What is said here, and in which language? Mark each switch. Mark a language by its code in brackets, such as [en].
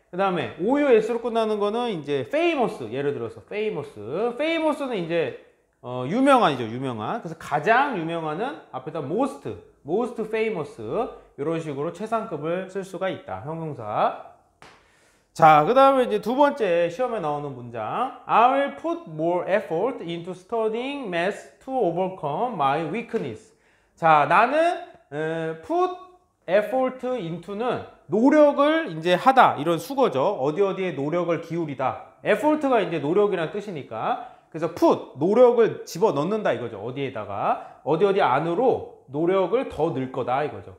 [ko] 그 다음에 ous로 끝나는 거는 이제 famous, 예를 들어서 famous는 이제 유명한이죠, 유명한. 그래서 가장 유명한은 앞에다 most famous 이런 식으로 최상급을 쓸 수가 있다 형용사. 자, 그 다음에 이제 두 번째 시험에 나오는 문장. [en] I will put more effort into studying math to overcome my weakness. [ko] 자, 나는 [en] put effort into [ko] 는 노력을 이제 하다. 이런 수거죠. 어디 어디에 노력을 기울이다. effort가 이제 노력이란 뜻이니까. 그래서 put, 노력을 집어넣는다 이거죠. 어디에다가 어디 안으로 노력을 더 넣을 거다 이거죠.